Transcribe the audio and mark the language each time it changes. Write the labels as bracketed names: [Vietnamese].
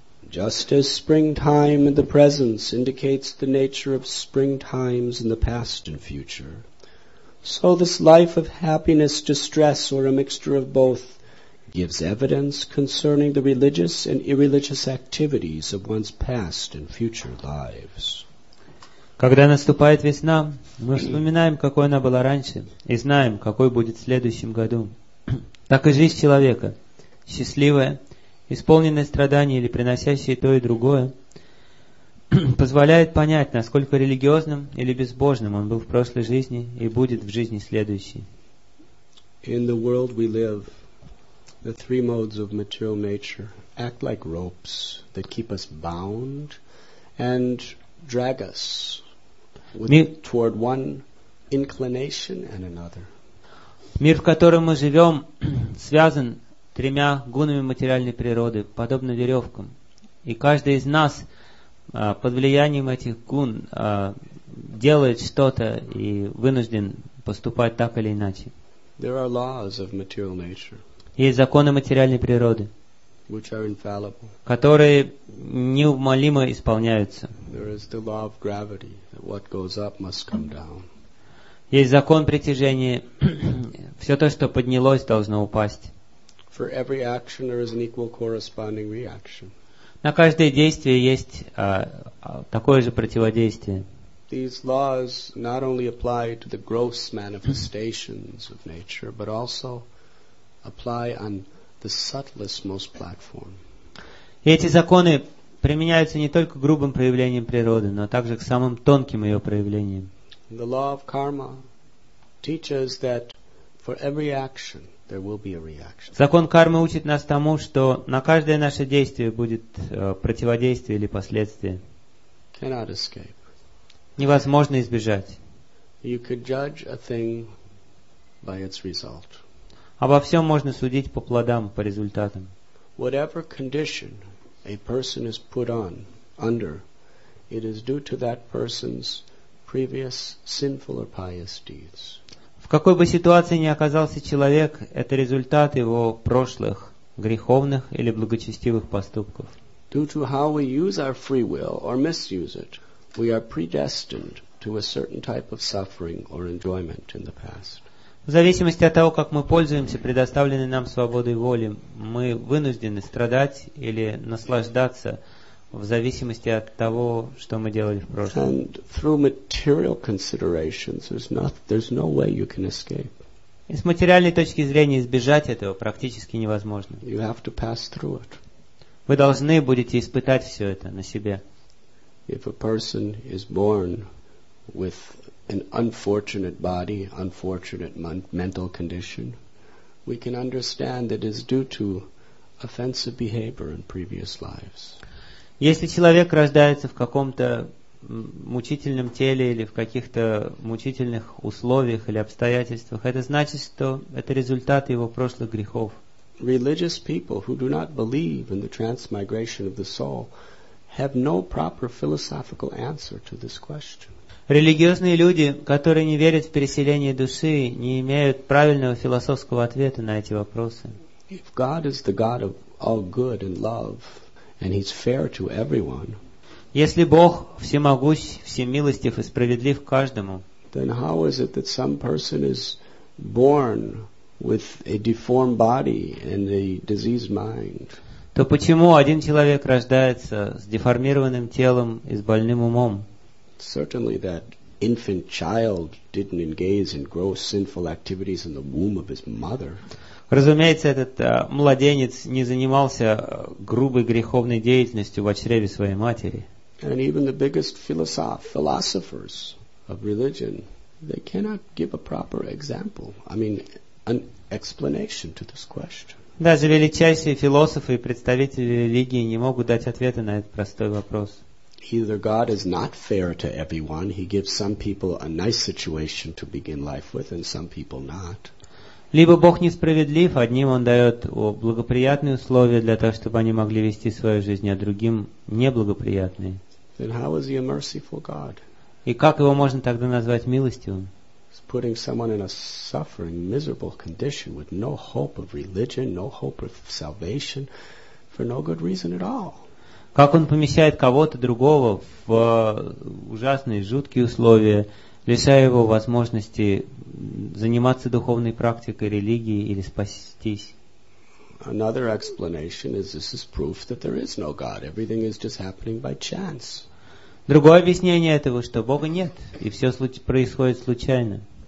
[English] Just as springtime in the presence indicates the nature of springtimes in the past and future, so this life of happiness, distress, or a mixture of both gives evidence concerning the religious and irreligious activities of one's past and future lives. [Russian] Когда наступает весна, мы вспоминаем, какой она была раньше, и знаем, какой будет в следующем году. Так и жизнь человека, счастливая, исполненная страданий или приносящая то и другое, позволяет понять, насколько религиозным или безбожным он был в прошлой жизни и будет в жизни следующей. [English] In the world we live, the three modes of material nature act like ropes that keep us bound and drag us toward one inclination and another. [Russian] Мир, в котором мы живем, связан тремя гунами материальной природы, подобно веревкам. И каждый из нас под влиянием этих гун делает что-то и вынужден поступать так или иначе. [English] There are laws of material nature, [Russian] есть законы материальной природы, [English] which are infallible, [Russian] которые неумолимо исполняются. [English] There is the law of gravity, that what goes up must come down. [Russian] Есть закон притяжения. Все то, что поднялось, должно упасть. [English] For every action, there is an equal corresponding reaction. [Russian] На каждое действие есть такое же противодействие. [English] These laws not only apply to the gross manifestations of nature, but also apply on the subtlest, most platform. [Russian] И эти законы применяются не только к грубым проявлениям природы, но также к самым тонким ее проявлениям. [English] The law of karma teaches that for every action there will be a reaction. [Russian] Закон кармы учит нас тому, что на каждое наше действие будет противодействие или последствие. [English] Cannot escape. [Russian] Невозможно избежать. [English] You could judge a thing by its result. [Russian] Обо всем можно судить по плодам, по результатам. [English] Whatever condition a person is put on under, it is due to that person's previous sinful or pious deeds. [Russian] В какой бы ситуации ни оказался человек, это результат его прошлых греховных или благочестивых поступков. [English] Due to how we use our free will or misuse it, we are predestined to a certain type of suffering or enjoyment in the past. [Russian] В зависимости от того, как мы пользуемся предоставленной нам свободой воли, мы вынуждены страдать или наслаждаться в зависимости от того, что мы делали в прошлом. [English] And through material considerations, there's no way you can escape. [Russian] И с материальной точки зрения избежать этого практически невозможно. [English] You have to pass through it. [Russian] Вы должны будете испытать все это на себе. [English] If a person is born with an unfortunate body, unfortunate mental condition, we can understand that it's due to offensive behavior in previous lives. [Russian] Если человек рождается в каком-то мучительном теле или в каких-то мучительных условиях или обстоятельствах, это значит, что это результат его прошлых грехов. [English] Religious people who do not believe in the transmigration of the soul have no proper philosophical answer to this question. [Russian] Религиозные люди, которые не верят в переселение души, не имеют правильного философского ответа на эти вопросы. [English] If God is the God of all good and love, and He's fair to everyone, [Russian] если Бог всемогущ, всемилостив и справедлив к каждому, [English] then how is it that some person is born with a deformed body and a diseased mind? [Russian] То почему один человек рождается с деформированным телом и с больным умом? [English] Certainly that infant child didn't engage in gross sinful activities in the womb of his mother. [Russian] Разумеется, этот младенец не занимался грубой греховной деятельностью в чреве своей матери. [English] And even the biggest philosophers of religion, they cannot give a proper example. I mean, an explanation to this question. [Russian] Даже величайшие философы и представители религии не могут дать ответа на этот простой вопрос. [English] Either God is not fair to everyone, He gives some people a nice situation to begin life with, and some people not. [Russian] Либо Бог несправедлив, одним Он дает благоприятные условия для того, чтобы они могли вести свою жизнь, а другим неблагоприятные. [English] Then how is He a merciful God? [Russian] И как Его можно тогда назвать милостивым? [English] Putting someone in a suffering, miserable condition with no hope of religion, no hope of salvation, for no good reason at all. [Russian] Как он помещает кого-то другого в ужасные, жуткие условия, лишая его возможности заниматься духовной практикой, религией или спастись? [English] Another explanation is this is proof that there is no God. Everything is just happening by chance. [Russian] Другое объяснение этого, что Бога нет, и все происходит случайно.